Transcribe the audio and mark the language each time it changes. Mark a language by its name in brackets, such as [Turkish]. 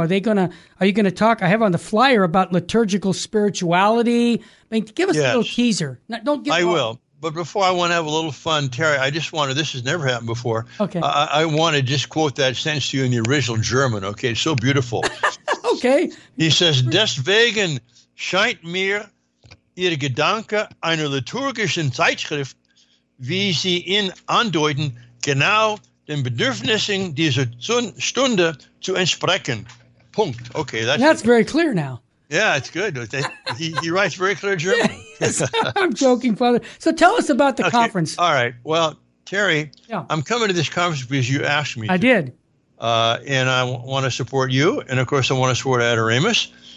[English] Are you going to talk? I have on the flyer about liturgical spirituality. I mean, give us yes. a little teaser. No, don't give. I will. But before, I want to have a little fun, Terry. I just wanted, this has never happened before. Okay. I want to just quote that sentence to you in the original German. Okay. It's so beautiful. Okay. He says, [German] deswegen scheint mir ihr Gedanke einer liturgischen Zeitschrift, wie sie ihn andeuten, genau den Bedürfnissen dieser Stunde zu entsprechen. Punkt. Okay, [English] that's very clear now. Yeah, it's good. He writes very clear German. Yes. I'm joking, Father. So tell us about the conference. All right. Well, Terry, yeah. I'm coming to this conference because you asked me. I did. And I want to support you. And, of course, I want to support Adoramus.